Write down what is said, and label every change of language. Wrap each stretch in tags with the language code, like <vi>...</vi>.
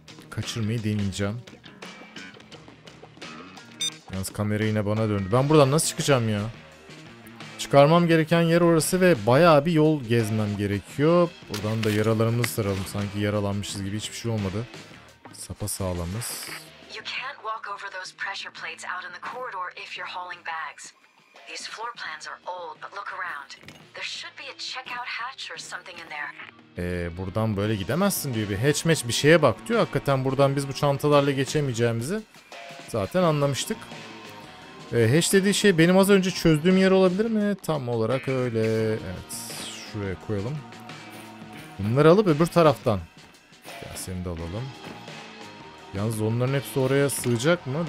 <tr>Kaçırmayı deneyeceğim. Yalnız kamera yine bana döndü. Ben buradan nasıl çıkacağım ya? Çıkarmam gereken yer orası ve bayağı bir yol gezmem gerekiyor. Buradan da yaralarımızı saralım. Sanki yaralanmışız gibi hiçbir şey olmadı. Sapa sağlamız.</tr> <en>You can't walk over those pressure plates out in the corridor if you're hauling bags. These floor plans are old, but look around. There should be a checkout hatch or something in there.</en> <tr>Buradan böyle gidemezsin diyor. Bir hatch match bir şeye bak diyor. Hakikaten buradan biz bu çantalarla geçemeyeceğimizi zaten anlamıştık. Hatch dediği şey benim az önce çözdüğüm yer olabilir mi? Tam olarak öyle. Evet. Şuraya koyalım. Bunları alıp öbür taraftan. Ya seni de alalım. Yalnız onların hepsi oraya sığacak mı?</tr>